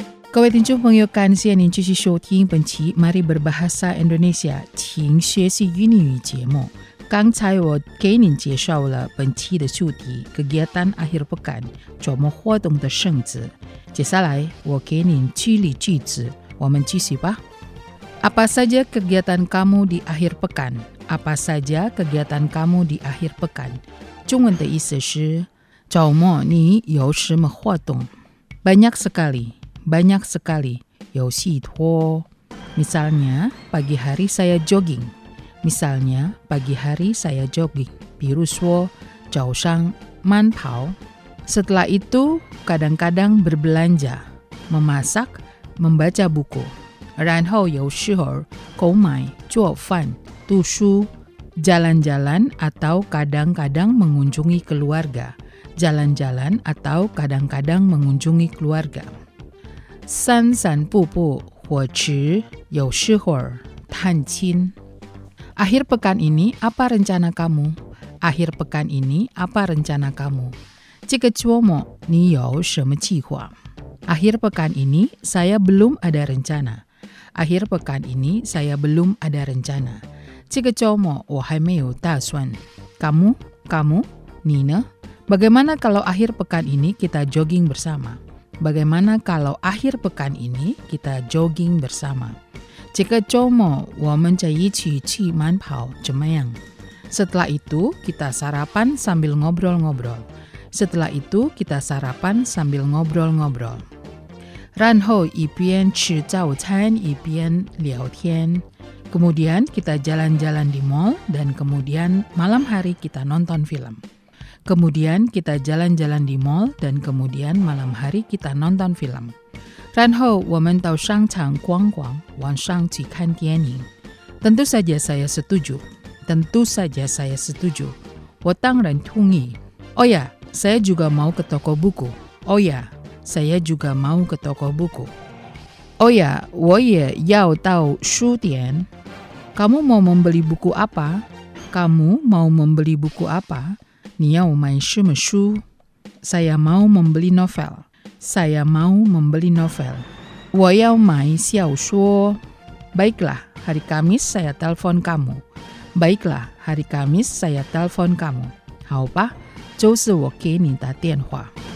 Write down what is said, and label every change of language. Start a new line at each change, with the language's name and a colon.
Chinese: 各位听众朋友，感谢您继续收听本期 Mari Berbahasa Indonesia 请学习印尼语节目。刚才我给您介绍了本期的主题
Indonesian: Kegiatan Akhir Pekan
Chinese: 周末活动的圣旨，接下来我给您举例句子，我们继续吧。
Indonesian: Apa saja kegiatan kamu di akhir pekan? Apa saja kegiatan kamu di akhir pekan?
Chinese: 中文的意思是周末你有什么活动？
Indonesian: Banyak sekali, banyak sekali.
Chinese: 有许多。
Indonesian: Misalnya, pagi hari saya jogging. Misalnya, pagi hari saya jogging.
Chinese: 比如说早上慢跑。
Indonesian: Setelah itu, kadang-kadang berbelanja, memasak, membaca buku.
Chinese: 然后有时候购买、做饭、读书、
Indonesian: jalan-jalan atau kadang-kadang mengunjungi keluarga, jalan-jalan atau kadang-kadang mengunjungi keluarga.
Chinese: 散散步步或者有时候探亲。
Indonesian: Akhir pekan ini apa rencana kamu? Akhir pekan ini apa rencana kamu?
Chinese: 这个周末你有什么计划？
Indonesian: Akhir pekan ini saya belum ada rencana. Akhir pekan ini saya belum ada rencana.
Chinese: 这个周末我还没有打算。
Indonesian: Kamu, kamu, Nina, bagaimana kalau akhir pekan ini kita jogging bersama? Bagaimana kalau akhir pekan ini kita jogging bersama?
Chinese: 这个周末我们在一起去慢跑，怎么样？
Indonesian: Setelah itu kita sarapan sambil ngobrol-ngobrol. Setelah itu kita sarapan sambil ngobrol-ngobrol.
Chinese: 然后一边吃早餐一边聊天。
Indonesian: Kemudian kita jalan-jalan di mall dan kemudian malam hari kita nonton film. Kemudian kita jalan-jalan di mall dan kemudian malam hari kita nonton film.
Chinese: 然后我们到商场逛逛，晚上去看电影。
Indonesian: Tentu saja saya setuju. Tentu saja saya setuju.
Chinese: 我当然同意。
Indonesian: Oh ya, saya juga mau ke toko buku. Oh ya. Saya juga mau ke toko buku.
Chinese: Oh ya, 我也要到书店。
Indonesian: Kamu mau membeli buku apa? Kamu mau membeli buku apa?
Chinese: 你要买什么书？
Indonesian: Saya mau membeli novel. Saya mau membeli novel.
Chinese: 我要买小说。
Indonesian: Baiklah, hari Kamis saya telpon kamu. Baiklah, hari Kamis saya telpon kamu.
Chinese: 好吧，周四我给你打电话。